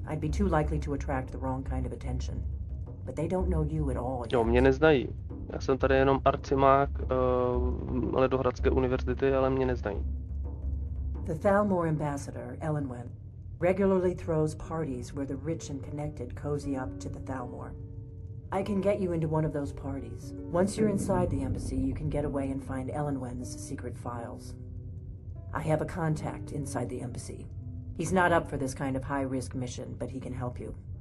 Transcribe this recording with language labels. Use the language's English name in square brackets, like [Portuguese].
[English] I'd be too likely to attract the wrong kind of attention. But they don't know you at all. [Czech] Jo, mě neznají. Já jsem tady jenom arcimák Ledohradské univerzity, ale mě neznají. [English] The Thalmor ambassador, Elenwen, regularly throws parties where the rich and connected cozy up to the Thalmor. I can get you into one of those parties. Once you're inside the embassy, you can get away and find Elenwen's secret files. I have a contact inside the embassy. He's not up for this kind of high-risk mission, but he can help you.